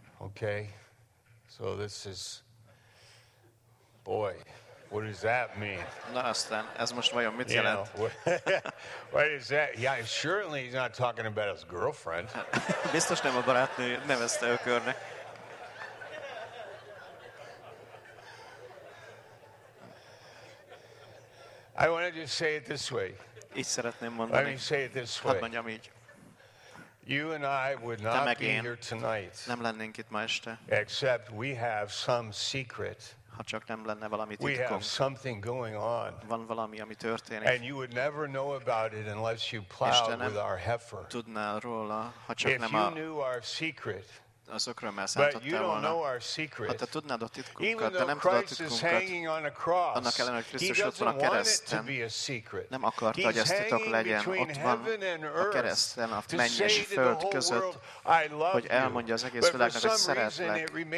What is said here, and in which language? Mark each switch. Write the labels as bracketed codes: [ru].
[en] Okay, so this is, boy, what does that mean? [hu] Na aztán, ez most vajon mit jelent? [en] What is that? Yeah, surely he's not talking about his girlfriend. [hu] Biztos nem a barátnő nevezte ökörnek. [en] I want to just say it this way. [hu] Így szeretném mondani. [en] Let me say it this way. [hu] Hadd mondjam így. [en] You and I would not be here tonight. [hu] Nem lennénk itt ma este. [en] Except we have some secret. [hu] Ha csak nem lenne valami titkunk. [en] We have something going on. [hu] Van valami, ami történik. [en] And you would never know about it unless you plowed with our heifer. [hu] Tudnál róla, ha csak nem a... [en] If you knew our secret. [hu] Az ökrömmel szántottál volna. Ha te tudnád a titkunkat, de nem tudod titkunkat, annak ellen, hogy Krisztus ott van a nem akart, hogy ezt titok legyen. Ott van a kereszten, a menny és föld között, hogy elmondja az egész világnak, hogy szeretlek.